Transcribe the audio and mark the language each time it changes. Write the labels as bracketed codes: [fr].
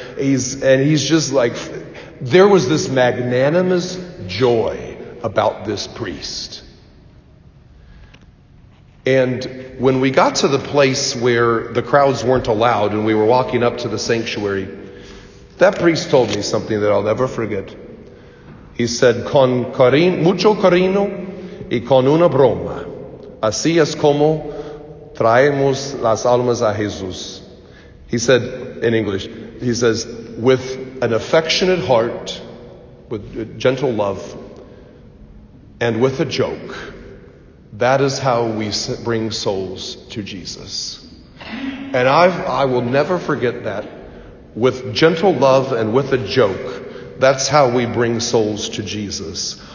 [en] He's just like, there was this magnanimous joy about this priest. And when we got to the place where the crowds weren't allowed and we were walking up to the sanctuary, that priest told me something that I'll never forget. He said, [es] con mucho cariño y con una broma. Así es como traemos las almas a Jesús. [en] He said, in English, he says, with an affectionate heart, with gentle love, and with a joke, That is how we bring souls to Jesus. And I will never forget that. With gentle love and with a joke, that's how we bring souls to Jesus.